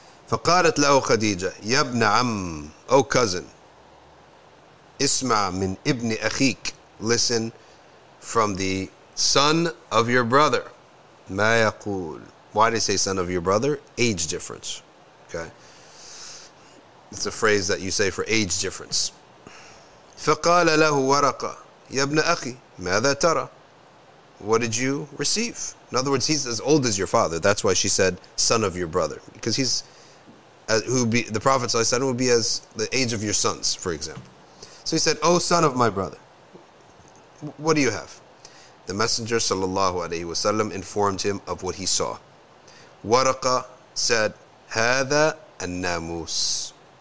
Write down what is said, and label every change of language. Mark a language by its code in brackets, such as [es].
[ar] فقالت له خديجة يا ابن عم, [en] O cousin, [ar] اسمع من ابن أخيك, [en] listen from the son of your brother. [ar] ما يقول. [en] Why do you say son of your brother? Age difference. Okay. It's a phrase that you say for age difference. [ar] فقال له ورقة يا ابن أخي ماذا ترى. [en] What did you receive? In other words, he's as old as your father. That's why she said son of your brother. Because he's the Prophet ﷺ would be as the age of your sons, for example. So he said, oh son of my brother, what do you have? The Messenger ﷺ informed him of what he saw. Waraqa said, [ar] هذا الناموس.